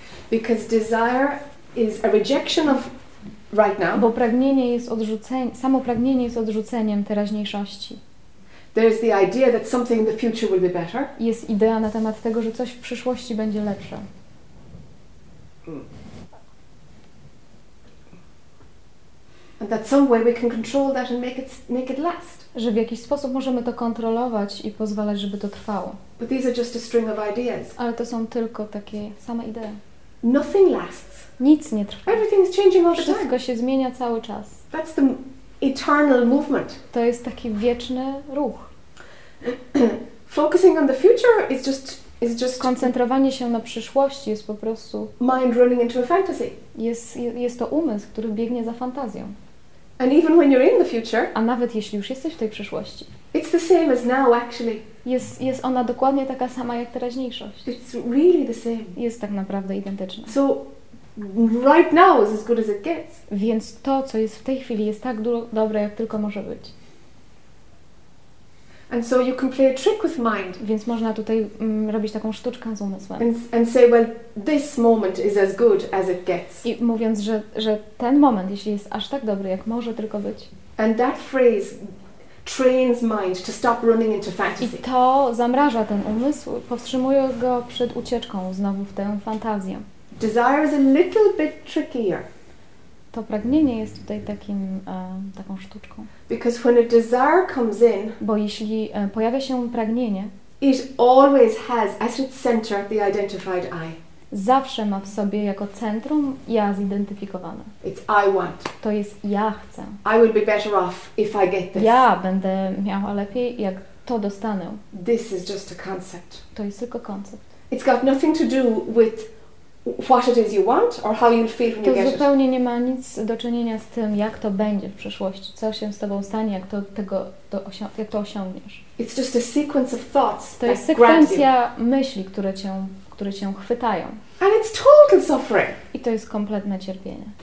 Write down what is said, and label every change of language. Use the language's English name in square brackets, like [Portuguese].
[English] Because desire is a rejection of right now. [Polish] Bo pragnienie jest odrzuceniem, samo pragnienie jest odrzuceniem teraźniejszości. [English] There's the idea that something in the future will be better. [Polish] Jest idea na temat tego, że coś w przyszłości będzie lepsze. [English] And that some way we can control that and make it last. [Polish] Że w jakiś sposób możemy to kontrolować i pozwalać, żeby to trwało. [English] But these are just a string of ideas. [Polish] Ale to są tylko takie same idee. [English] Nothing lasts. [Polish] Nic nie trwa. [English] Everything is changing all the time. [Polish] Wszystko się zmienia cały czas. [English] That's the eternal movement. [Polish] To jest taki wieczny ruch. [English] Focusing on the future is just [Polish] koncentrowanie się na przyszłości jest po prostu [English] mind running into a fantasy. [Polish] Jest to umysł, który biegnie za fantazją. [English] And even when you're in the future, [Polish] a nawet jeśli już jesteś w tej przyszłości, [English] it's the same as now actually. [Polish] Jest ona dokładnie taka sama jak teraźniejszość. [English] It's really the same. [Polish] Jest tak naprawdę identyczna. [English] So right now is as good as it gets. [Polish] Więc to, co jest w tej chwili, jest tak dobre, jak tylko może być. [English] And so you can play a trick with mind. [Polish] Więc można tutaj robić taką sztuczkę z umysłem. [English] And say, well, this moment is as good as it gets. [Polish] I mówiąc, że ten moment, jeśli jest aż tak dobry, jak może tylko być. [English] And that phrase trains mind to stop running into fantasy. [Polish] I to zamraża ten umysł, powstrzymuje go przed ucieczką znowu w tę fantazję. [English] Desire is a little bit trickier. [Polish] To pragnienie jest tutaj takim taką sztuczką. [English] Because when a desire comes in, [Polish] bo jeśli pojawia się pragnienie, [English] it always has at its center the identified I. [Polish] Zawsze ma w sobie jako centrum ja zidentyfikowane. [English] It's I want. [Polish] To jest ja chcę. [English] I will be better off if I get this. [Polish] Ja będę miała lepiej, jak to dostanę. [English] This is just a concept. [Polish] To jest tylko koncept. [English] It's got nothing to do with what it is you want or how you'll feel when you get it. [Polish] To zupełnie nie ma nic do czynienia z tym, jak to będzie w przyszłości, co się z tobą stanie, jak to tego to jak to osiągniesz. [English] It's just a sequence of thoughts. [Polish] To jest sekwencja myśli, które cię chwytają. [English] And it's total suffering. [Polish] I to jest kompletne cierpienie.